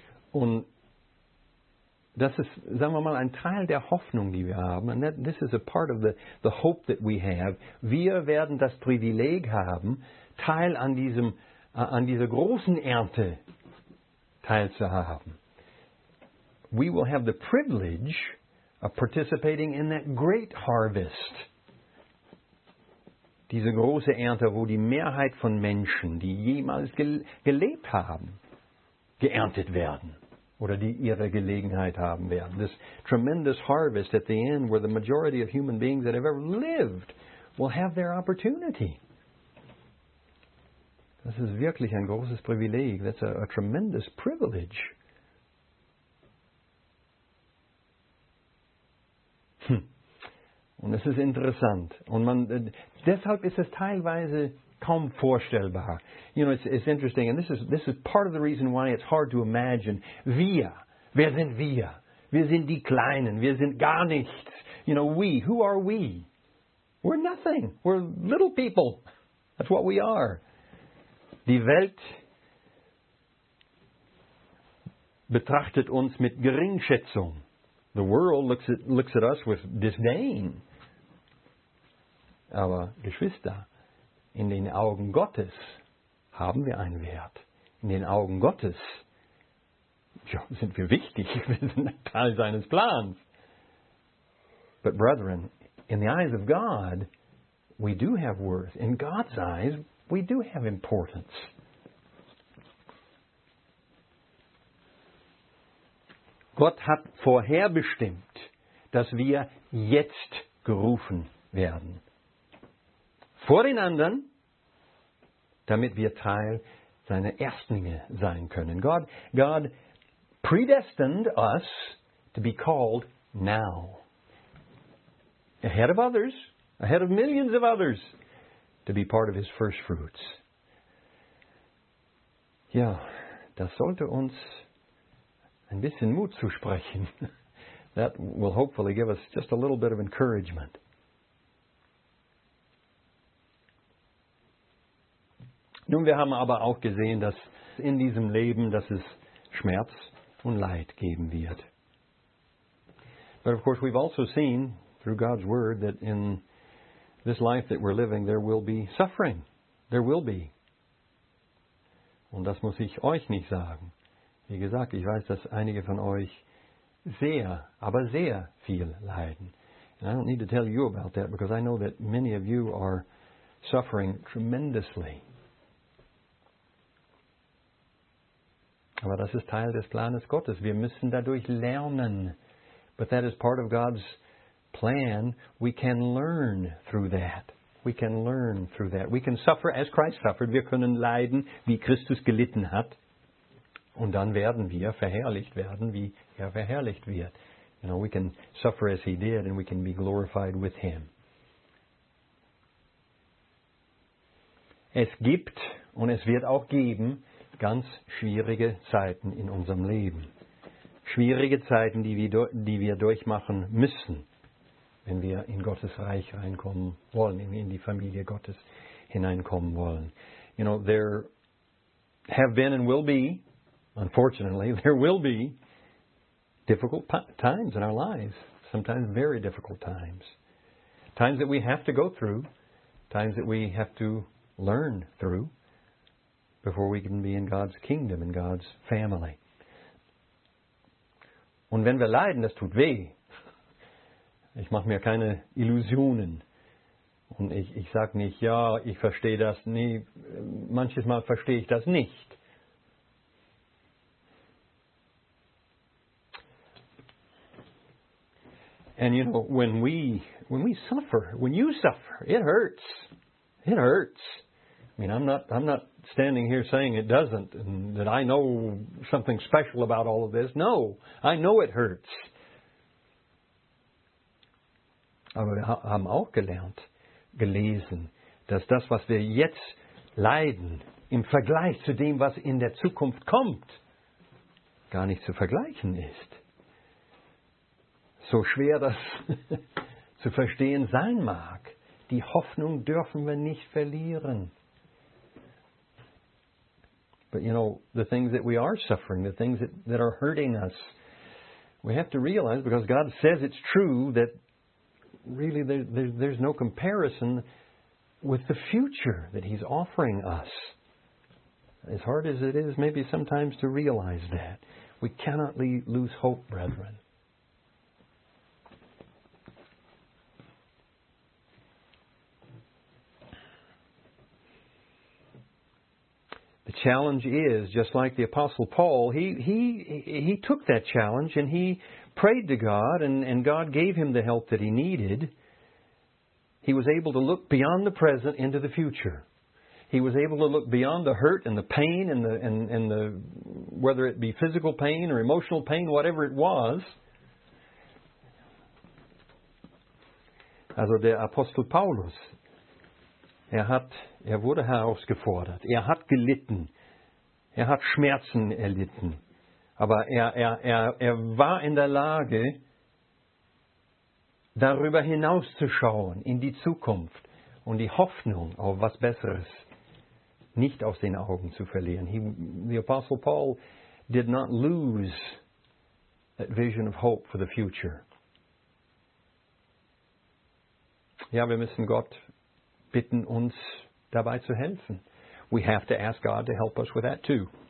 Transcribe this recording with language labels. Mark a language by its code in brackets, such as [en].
[de] Und das ist, sagen wir mal, ein Teil der Hoffnung, die wir haben. [en] And this is a part of the hope that we have. [de] Wir werden das Privileg haben, Teil an diesem, an dieser großen Ernte teilzuhaben. [en] We will have the privilege of participating in that great harvest. [de] Diese große Ernte, wo die Mehrheit von Menschen, die jemals gelebt haben, geerntet werden. Oder die ihre Gelegenheit haben werden. [en] This tremendous harvest at the end where the majority of human beings that have ever lived will have their opportunity. [de] Das ist wirklich ein großes Privileg. [en] That's a tremendous privilege. [de] Und es ist interessant. Und man, deshalb ist es teilweise kaum vorstellbar. [en] You know, it's interesting, and this is part of the reason why it's hard to imagine. [de] Wer sind wir? Wir sind die Kleinen. Wir sind gar nichts. [en] You know, we. Who are we? We're nothing. We're little people. That's what we are. [de] Die Welt betrachtet uns mit Geringschätzung. [en] The world looks at us with disdain. [de] Aber Geschwister, in den Augen Gottes haben wir einen Wert. In den Augen Gottes sind wir wichtig, wir sind ein Teil seines Plans. [en] But brethren, in the eyes of God, we do have worth. In God's eyes, we do have importance. [de] Gott hat vorherbestimmt, dass wir jetzt gerufen werden. Vor den anderen, damit wir Teil seiner Erstlinge sein können. [en] God predestined us to be called now. Ahead of others, ahead of millions of others, to be part of his first fruits. [de] Ja, das sollte uns ein bisschen Mut zusprechen. [en] That will hopefully give us just a little bit of encouragement. [de] Nun, wir haben aber auch gesehen, dass in diesem Leben, dass es Schmerz und Leid geben wird. [en] But of course, we've also seen through God's word that in this life that we're living, there will be suffering. There will be. [de] Und das muss ich euch nicht sagen. Wie gesagt, ich weiß, dass einige von euch sehr, aber sehr viel leiden. [en] And I don't need to tell you about that, because I know that many of you are suffering tremendously. [de] Aber das ist Teil des Planes Gottes. Wir müssen dadurch lernen. [en] But that is part of God's plan. We can learn through that. We can learn through that. We can suffer as Christ suffered. [de] Wir können leiden, wie Christus gelitten hat. Und dann werden wir verherrlicht werden, wie er verherrlicht wird. [en] You know, we can suffer as he did and we can be glorified with him. [de] Es gibt und es wird auch geben ganz schwierige Zeiten in unserem Leben. Schwierige Zeiten, die wir durchmachen müssen, wenn wir in Gottes Reich reinkommen wollen, in die Familie Gottes hineinkommen wollen. [en] You know, there have been and will be, unfortunately, there will be difficult times in our lives. Sometimes very difficult times. Times that we have to go through. Times that we have to learn through before we can be in God's kingdom, in God's family. [de] Und wenn wir leiden, das tut weh. Ich mache mir keine Illusionen. Und ich sage nicht, ja, ich verstehe das. Nee, manches Mal verstehe ich das nicht. [en] And you know, when we suffer, when you suffer, it hurts. It hurts. I mean, I'm not standing here saying it doesn't and that I know something special about all of this. No, I know it hurts. [de] Aber wir haben auch gelernt, gelesen, dass das, was wir jetzt leiden, im Vergleich zu dem, was in der Zukunft kommt, gar nicht zu vergleichen ist. So schwer das zu verstehen sein mag, die Hoffnung dürfen wir nicht verlieren. [en] But you know, the things that we are suffering, the things that are hurting us, we have to realize, because God says it's true, that really there's no comparison with the future that he's offering us. As hard as it is maybe sometimes to realize that, we cannot lose hope, brethren. The challenge is, just like the Apostle Paul, he took that challenge and he prayed to God and God gave him the help that he needed. He was able to look beyond the present into the future. He was able to look beyond the hurt and the pain and the whether it be physical pain or emotional pain, whatever it was. [de] Also der Apostel Paulus, er wurde herausgefordert, er hat gelitten, er hat Schmerzen erlitten, aber er war in der Lage, darüber hinauszuschauen, in die Zukunft und die Hoffnung auf was Besseres nicht aus den Augen zu verlieren. [en] The Apostle Paul did not lose that vision of hope for the future. [de] Ja, wir müssen Gott bitten uns dabei zu helfen. [en] We have to ask God to help us with that too.